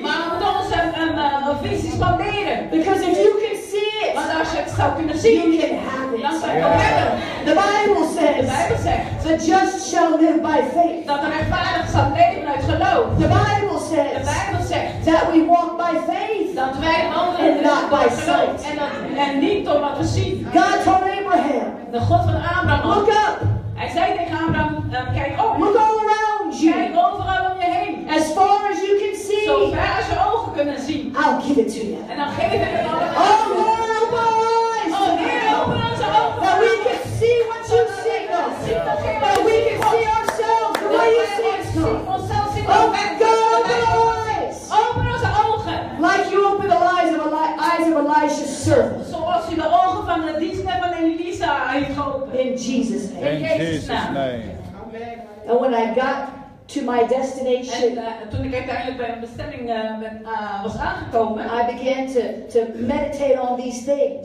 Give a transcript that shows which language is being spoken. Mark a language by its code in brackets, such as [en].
[en] Because if you can see it, you can have it. Yeah. The Bible says, the just shall live by faith. The Bible says that we walk by faith and not by sight. God told Abraham, look up. [nl] Hij zei tegen Abraham, kijk op. [en] Look all around you. [nl] Kijk overal om je heen. [en] As far as you can see. [nl] Zo ver als je ogen kunnen zien. [en] I'll give it to you. [nl] En dan geef ik het aan [en] je. Oh, Lord, open our eyes. [nl] Oh, Heer, open onze ogen. [en] That we can see what you see. That we can see ourselves. The way you see it. Oh, God, open our eyes. [nl] Open onze ogen. [en] Like you open the eyes of Elisha's servant. [nl] Zoals u de ogen van de dienstknecht van Elisa heeft geopend. [en] In Jesus' name. In Jesus' name. And when I got to my destination, [nl] toen ik uiteindelijk bij mijn bestemming was aangekomen, [en] I began to meditate on these things.